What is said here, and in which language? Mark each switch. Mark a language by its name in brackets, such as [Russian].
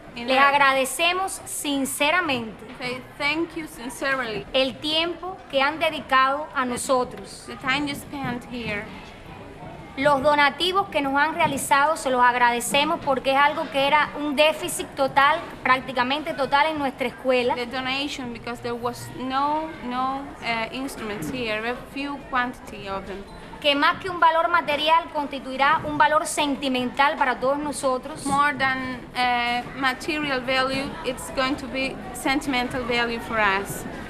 [Spanish] Les agradecemos sinceramente [English] thank you sincerely. [Spanish] El tiempo que han dedicado a nosotros. [English] The time you spent here. [Spanish] Los donativos que nos han realizado se los agradecemos porque es algo que era un déficit total, prácticamente total en nuestra escuela. [English] The donation because there was no instruments here, a few quantity of them. [Spanish] Que más que un valor material constituirá un valor sentimental para todos nosotros. [English] More than material value, it's going to be sentimental value for us.